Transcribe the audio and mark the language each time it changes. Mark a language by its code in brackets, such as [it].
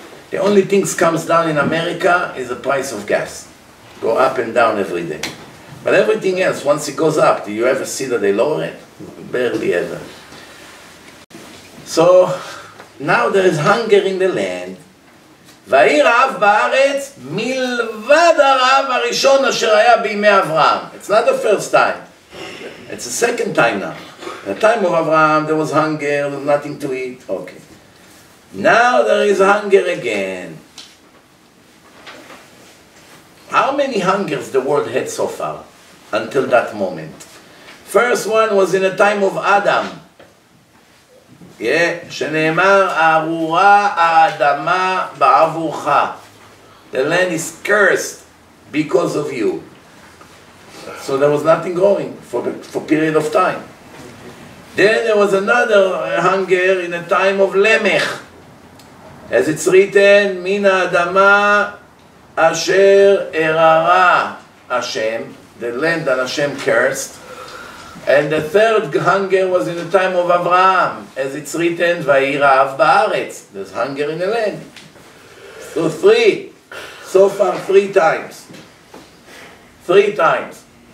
[en] The only thing that comes down in America is the price of gas. Go up and down every day. But everything else, once it goes up, do you ever see that they lower it? Barely ever. So, now there is hunger in the land. [he] ויהי רעב בארץ מלבד הרעב הראשון אשר היה בימי אברהם. [en] It's not the first time. It's the second time now. The time of Abraham, there was hunger, there was nothing to eat. Okay. Now there is hunger again. How many hungers the world had so far until that moment? First one was in the time of Adam. Yeah, [he] שנאמר, ארורה האדמה בעבורך. [en] The land is cursed because of you. So there was nothing growing for a period of time. Then there was another hunger in the time of Lemech. As it's written, [he] מן האדמה אשר הררה השם. [en] The land that Hashem cursed. And the third hunger was in the time of Abraham, as it's written, [he] ויהי רעב בארץ. [en] There's hunger in the land. So three, so far three times. Three times.